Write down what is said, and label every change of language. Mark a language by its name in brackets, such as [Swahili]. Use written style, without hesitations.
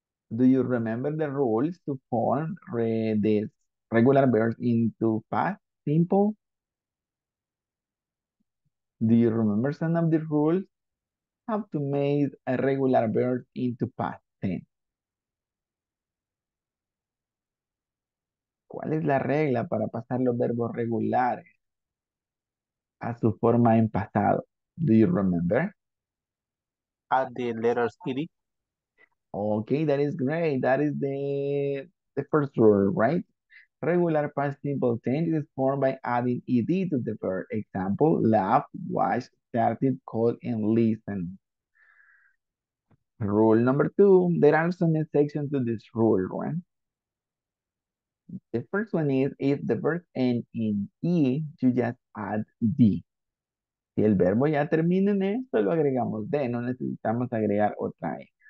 [English] Do you remember the rules to form this regular verb into past simple? Do you remember some of the rules? How to make a regular verb into past tense? [Spanish] ¿Cuál es la regla para pasar los verbos regulares a su forma en pasado? [English] Do you remember? Add the letters ed. Okay, that is great. That is the first rule, right? Regular past simple tense is formed by adding ed to the verb. Example, laughed, watched, started, called, and listened. Rule number two, there are some exceptions to this rule, right? The first one is, if the verb ends in E, you just add D. [Spanish] Si el verbo ya termina en E, solo agregamos D, no necesitamos agregar otra E.